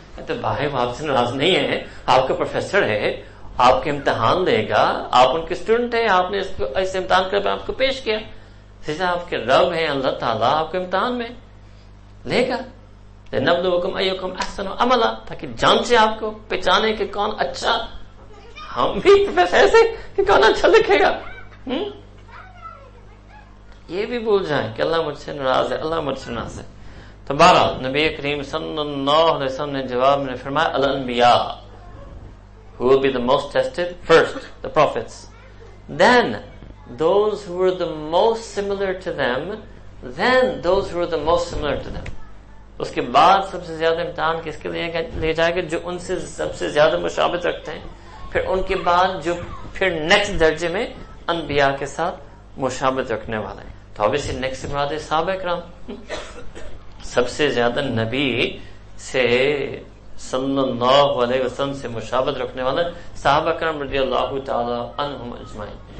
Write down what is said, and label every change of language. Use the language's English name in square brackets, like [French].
[Urdu] تو بھائی وہ آپ سے ناراض نہیں ہے, آپ کا پروفیسر ہے, آپ کے امتحان دے گا, آپ ان کے اسٹوڈنٹ ہیں, آپ نے اس امتحان کے آپ کو پیش کیا, جیسے آپ کے رب ہیں اللہ تعالیٰ, آپ کے امتحان میں لے گا. [Arabic] لِنَبْلُوَكُمْ أَيُّكُمْ أَحْسَنُ عَمَلًا, [Urdu] تاکہ جان سے آپ کو پہچانے کہ کون اچھا, ہم بھی پروفیسر ایسے کہ کون اچھا لکھے گا. یہ بھی بھول جائیں کہ اللہ مجھ سے ناراض ہے, اللہ مجھ سے ناراض ہے. تو بہرحال نبی کریم صلی اللہ علیہ وسلم نے جواب میں فرمایا, [English] الانبیاء who will be the most tested, first the prophets, then those who were the most similar to them, then those who were the most similar to them. [Urdu] اس کے بعد سب سے زیادہ امتحان کس کے لیے جائے گا, جو ان سے سب سے زیادہ مشابہت رکھتے ہیں, پھر ان کے بعد جو پھر نیکسٹ درجے میں انبیاء کے ساتھ مشابہت رکھنے والے ہیں. تو ابھی سے نیکسٹ مراد ہے صحابہ کرام. سب سے زیادہ نبی سے صلی اللہ علیہ وسلم سے مشابہت رکھنے والا صحابہ کرام رضی اللہ تعالی عنہم اجمعین.